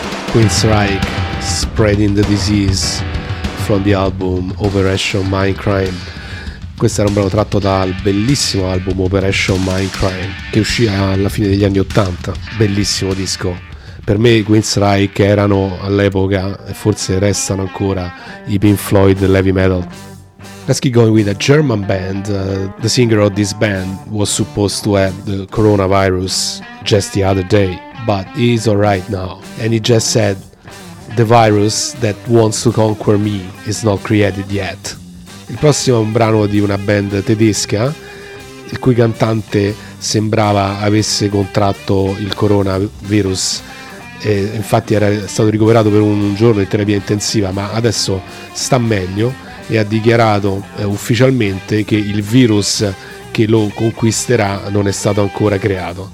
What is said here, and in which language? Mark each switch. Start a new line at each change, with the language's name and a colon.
English: Queensryche, Spreading the Disease, from the album Operation Mindcrime.
Italian: Questo era un brano tratto dal bellissimo album Operation Mindcrime, che uscì alla fine degli anni '80. Bellissimo disco. Per me i Queensryche erano all'epoca, e forse restano ancora, i Pink Floyd heavy metal.
English: Let's keep going with a German band. The singer of this band was supposed to have the coronavirus just the other day, but he's alright now. And he just said, "The virus that wants to conquer me is not created yet."
Italian: Il prossimo è un brano di una band tedesca, il cui cantante sembrava avesse contratto il coronavirus. E infatti era stato ricoverato per un giorno in terapia intensiva, ma adesso sta meglio e ha dichiarato ufficialmente che il virus che lo conquisterà non è stato ancora creato.